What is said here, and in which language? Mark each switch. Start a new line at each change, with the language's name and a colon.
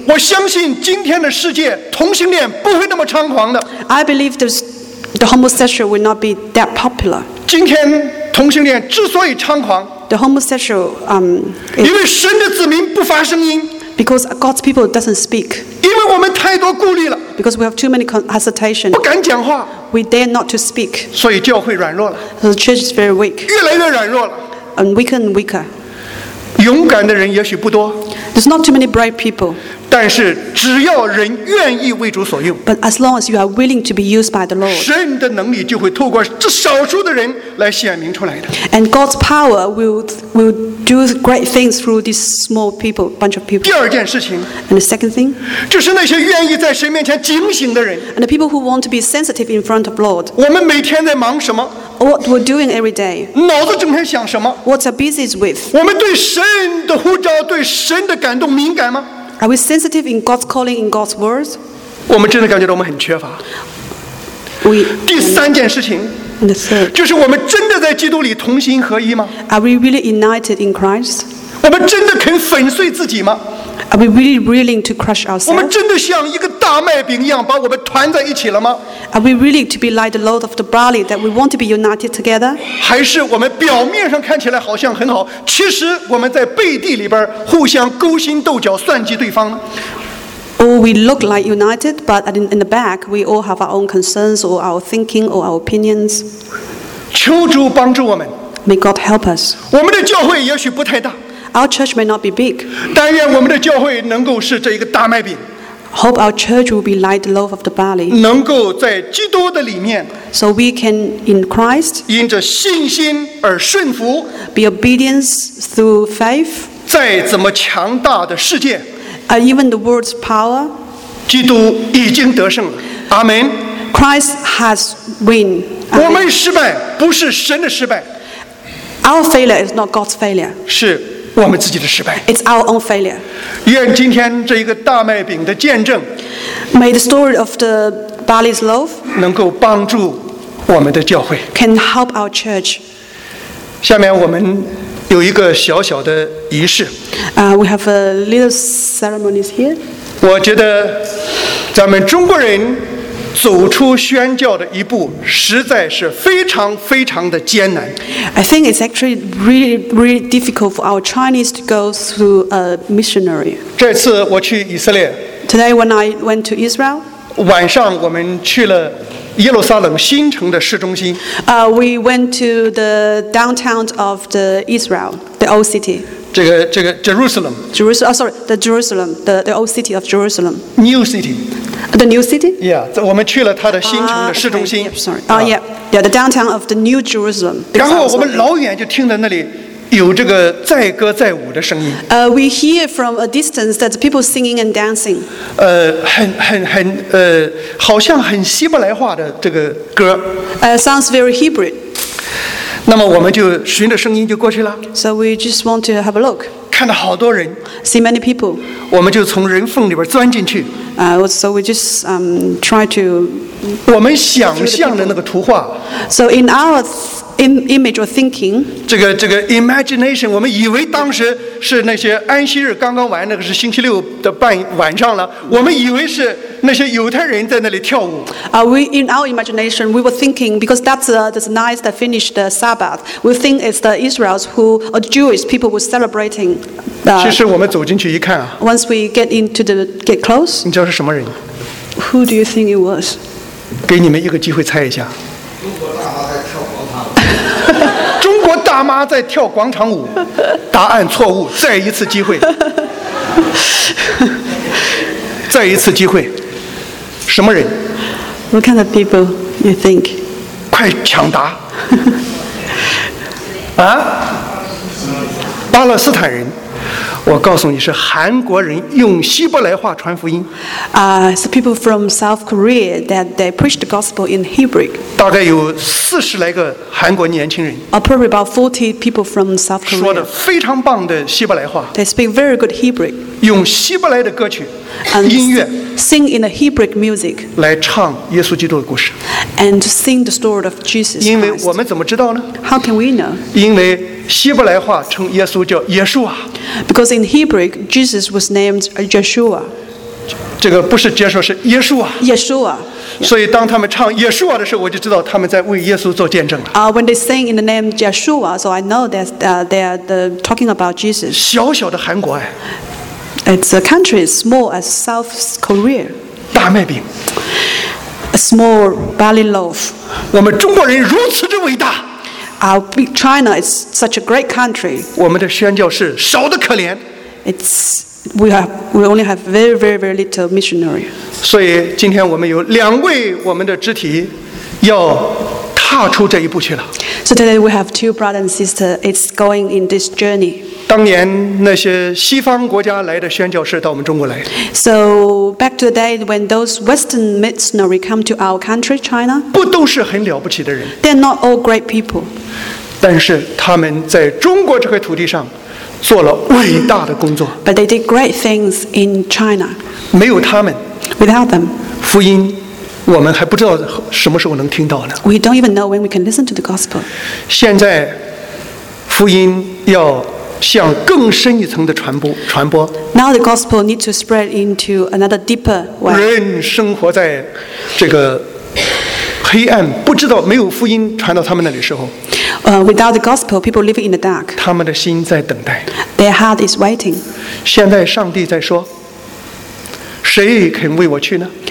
Chinese: 我相信今天的世界同性恋不会那么猖狂的。
English: I believe the homosexual will not be that popular.
Chinese: 今天同性恋之所以猖狂，
English: the homosexual,
Chinese: 因为神的子民不发声音。
English: Because God's people doesn't speak.
Chinese: 因为我们太多顾虑了。
English: Because we have too many hesitation.
Chinese: 不敢讲话。
English: We dare not to speak.
Chinese: 所以教会软弱了。
English: The church is very weak.
Chinese: 越来越软弱了。
English: And weaker and weaker.
Chinese: 勇敢的人也许不多。
English: There's not too many brave people.
Chinese: 但是只要人愿意为主所用。
English: But as long as you are willing to be used by the Lord.
Chinese: 神的能力就会透过这少数的人来显明出来的。
English: And God's power will do great things through these small people, bunch of people.
Chinese: 第二件事情。
English: And the second thing.
Chinese: 就是那些愿意在神面前警醒的人。
English: And the people who want to be sensitive in front of Lord.
Chinese: 我们每天在忙什么？
English: What we're doing every day.
Chinese: 脑子整天想什么？
English: What are busy with?
Chinese: 我们对神的呼召，对神的感动敏感吗？
English: Are we sensitive in God's calling, in God's words?
Chinese: 我们真的感觉到我们很缺乏。第三件事情。
English: The third.
Chinese: 就是我们真的在基督里同心合一吗？
English: Are we really united in Christ?
Chinese: 我们真的肯粉碎自己吗？
English: Are we really willing to crush ourselves?
Chinese: 我们真的像一个大麦饼一样把我们团在一起了吗？
English: Are we willing to be like the loaf of the barley that we want to be united together?
Chinese: 还是我们表面上看起来好像很好，其实我们在背地里边互相勾心斗角，算计对方呢？
English: Or we look like united, but in the back, we all have our own concerns, or our thinking, or our opinions.
Chinese: 求主帮助我们。
English: May God help us.
Chinese: 我们的教会也许不太大。
English: Our church may not be big.
Chinese: 但愿我们的教会能够是这一个大麦饼。
English: Hope our church will be like the loaf of the barley.
Chinese: 能够在基督的里面。
English: So we can in Christ.
Chinese: 因着信心而顺服。
English: Be obedience through faith.
Chinese: 再怎么强大的世界。
English: Even the world's power.
Chinese: 基督已经得胜了。阿门。
English: Christ has won.
Chinese: 我们失败不是神的失败。
English: Our failure is not God's failure.
Chinese: 是。我们自己的失败。
English: It's our own failure.
Chinese: 愿今天这一个大麦饼的见证
English: ，May the story of the barley's loaf
Chinese: 能够帮助我们的教会
English: ，Can help our church.
Chinese: 下面我们有一个小小的仪式。
English: We have a little ceremonies here.
Chinese: 我觉得咱们中国人走出宣教的一步实在是非常非常的艰难。
English: I think it's actually really, really difficult for our Chinese to go through a missionary.
Chinese: 这次我去以色列。
English: Today when I went to Israel,
Chinese: 晚上我们去了耶路撒冷新城的市中心。
English: We went to the downtown of the Israel, the old city.
Chinese: 这个 Jerusalem,
English: Jerusalem,、oh, sorry, the Jerusalem, the old city of Jerusalem, new city, the new city.
Chinese: Yeah, 我们去了它的新城的市中心。
English: Yeah, the downtown of the new Jerusalem.
Chinese: 然后我们老远就听到那里有这个载歌载舞的声音。
English: We hear from a distance that people singing and dancing.
Chinese: 很好像很希伯来话的这个歌。
English: Sounds very Hebrew.
Chinese: 那么我们就循着声音就过去了。
English: So we just want to have a look.
Chinese: 看到好多人。
English: See many people.
Chinese: 我们就从人缝里边钻进去。
English: So we just try to.
Chinese: 我们想象的那个图画。
English: So in our image or thinking.
Chinese: 这个 imagination, 我们以为当时是那些安息日刚刚完，那个是星期六的半晚上了。我们以为是。那些犹太人在那里跳舞。
English: In our imagination, we were thinking because that's the night that finished the Sabbath. We think it's the Israelites who or Jewish people were celebrating.
Chinese: 其实我们走进去一看啊。
English: Once we get close.
Chinese: 你知道是什么人
English: ？Who do you think it was？
Chinese: 给你们一个机会猜一下。中国大妈在跳广场舞。中国大妈在跳广场舞。答案错误，再一次机会。再一次机会，什么人
English: ？What kind of people you think？
Chinese: 快抢答！啊，巴勒斯坦人，我告诉你是韩国人用希伯来话传福音。
English: It's people from South Korea that they preach the gospel in Hebrew。
Chinese: 大概有四十来个韩国年轻人。
English: Probably about 40 people from South Korea。
Chinese: 说的非常棒的希伯来话。
English: They speak very good Hebrew。
Chinese: 用希伯来的歌曲。
English: And、
Chinese: 音乐
English: sing in a Hebrew music
Chinese: 来唱耶稣基督的故事
English: and sing the story of Jesus Christ
Chinese: 因为我们怎么知道呢
English: How can we know
Chinese: 因为希伯来话称耶稣叫耶稣啊
English: Because in Hebrew Jesus was named Yeshua
Chinese: 这个不是接受是耶稣啊
English: Yeshua
Chinese: 所以当他们唱耶稣啊的时候我就知道他们在为耶稣做见证了
English: When they sing in the name Yeshua So I know that they are talking about Jesus
Chinese: 小小的韩国哎
English: It's a country as small as South Korea.
Chinese: 大麦饼
English: A small barley loaf.
Chinese: 我们中国人如此之伟大
English: Our big China is such a great country.
Chinese: 我们的宣教士少得可怜
English: We only have very, very, very little missionary.
Chinese: 所以今天我们有两位我们的肢体要踏出这一步去了
English: So today we have two brothers and sisters. It's going in this journey.
Chinese: 当年那些西方国家来的宣教士到我们中国来。
English: So back to the day when those Western missionary come to our country, China.
Chinese: 不都是很了不起的人。
English: They're not all great people.
Chinese: 但是他们在中国这块土地上做了伟大的工作。
English: But they did great things in China.
Chinese: 没有他们。
English: Without them.
Chinese: 福音我们还不知道什么时候能听到呢。
English: We don't even know when we can listen to the gospel.
Chinese: 现在福音要向更深一层的传播。
English: Now the gospel needs to spread into another deeper way.
Chinese: 人生活在这个黑暗，不知道没有福音传到他们那里时候。
English: Without the gospel, people live in the dark.
Chinese: 他们的心在等待。
English: Their heart is waiting.
Chinese: 现在上帝在说，谁肯为我去呢